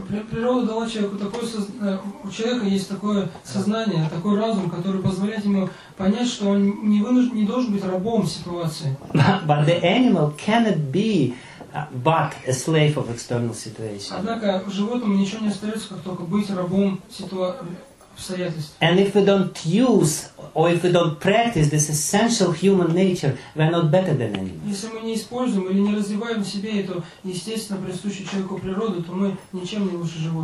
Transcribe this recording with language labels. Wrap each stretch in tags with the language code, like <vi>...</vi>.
<ru>Природа дала человеку такое у человека есть такое сознание, такой разум, который позволяет ему понять, что он не должен быть рабом ситуации.</ru> <en>But the animal cannot be but a slave of external situation.</en> <ru>Однако животному ничего не остается, как только быть рабом обстоятельств.</ru> <en>And if we don't use or if we don't practice this essential human nature, we are not better than animals.</en> <ru>Если мы не используем или не развиваем в себе эту естественно присущую человеку природу, то мы ничем не лучше животных.</ru>